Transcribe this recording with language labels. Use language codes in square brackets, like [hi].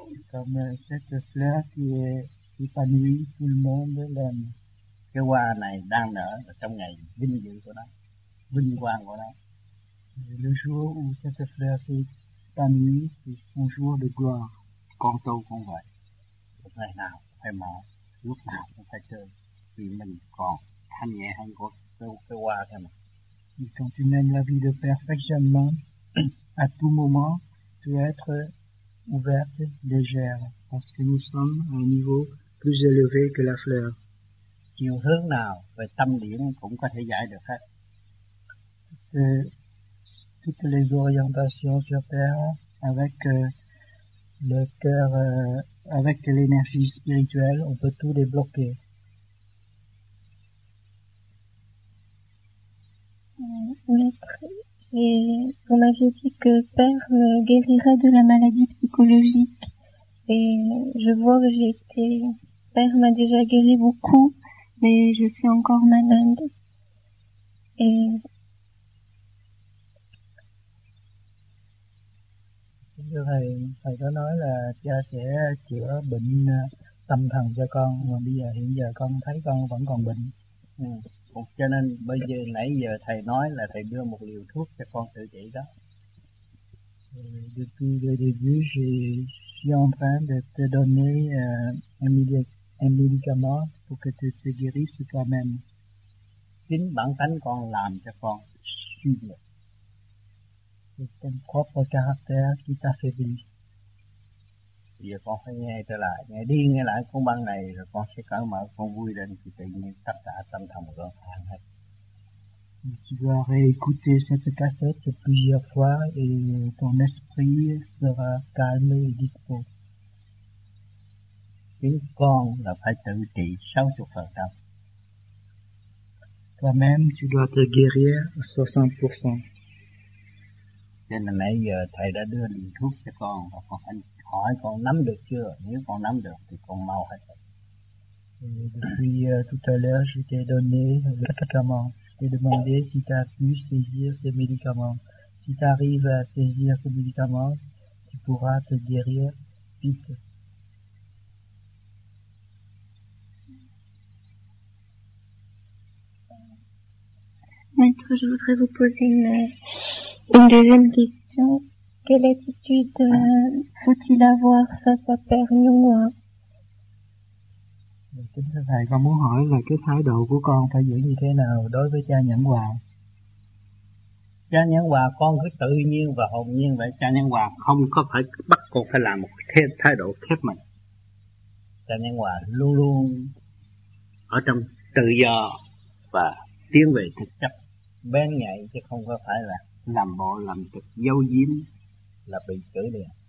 [fr] Comme cette fleur qui est épanouie, tout le monde l'aime. [vi] Cái hoa này đang nở trong ngày vinh dự của nó, vinh quang của nó. [fr] Le jour où cette fleur s'épanouit, c'est son jour de gloire. [vi] Con tu cũng vậy. Lúc này nào phải mở, lúc nào cũng phải chơi. Vì mình còn thanh nhẹ hơn của cái hoa thôi mà. [fr] Et quand tu mènes la vie de perfectionnement, à tout moment, tu es être ouverte, légère, parce que nous sommes à un niveau plus élevé que la fleur. [vi] Chiều hướng nào về tâm điển cũng có thể giải được hết. [fr] Toutes les orientations sur terre avec le cœur, avec l'énergie spirituelle, on peut tout débloquer. Et on m'avait dit que père me guérirait de la maladie psychologique. Et je vois que j'ai été... Père m'a déjà guéri beaucoup, mais je suis encore malade. Et... [vi] Thưa thầy, thầy có nói là cha sẽ chữa bệnh tâm thần cho con. Mà bây giờ hiện giờ con thấy con vẫn còn bệnh. Cho nên bây giờ nãy giờ thầy nói là thầy đưa một liều thuốc cho con tự trị đó. [fr] Depuis le début, je suis en train de te donner un médicament pour que tu te guérisses toi-même. [vi] Chính bản thân con làm cho con suy nhược. [fr] C'est ton propre caractère qui t'affaiblit. [vi] Bây giờ con phải nghe trở lại, nghe đi nghe lại cuốn băng này rồi con sẽ cởi mở, con vui lên thì tự nhiên tất cả tâm thần của con thanh hết. [fr] Tu dois réécouter cette cassette plusieurs fois et ton esprit sera calme et dispo. [vi] Chính con là phải tự trị 60%. [fr] Toi-même, tu dois te guérir 60%. [vi] Cho nên nãy giờ thầy đã đưa liều thuốc cho con và con phải hỏi con nắm được chưa? Nếu con nắm được thì con mau hết. [fr] Depuis tout à l'heure, je t'ai donné le médicament. Je t'ai demandé si tu as pu saisir ce médicament. Si tu arrives à saisir ce médicament, tu pourras te guérir vite. Maître, je voudrais vous poser une deuxième question. Quelle attitude faut-il avoir face à Père Noua? [vi] Kính thưa thầy, con muốn hỏi là cái thái độ của con phải giữ như thế nào đối với cha Nhẫn Hòa? Cha Nhẫn Hòa con cứ tự nhiên và hồn nhiên vậy. Cha Nhẫn Hòa không có phải bắt con phải làm một thái độ khép mình. Cha Nhẫn Hòa luôn luôn ở trong tự do và tiến về thực chất bén nhạy, chứ không có phải là làm bộ làm tịch giấu giếm là bị chửi liền.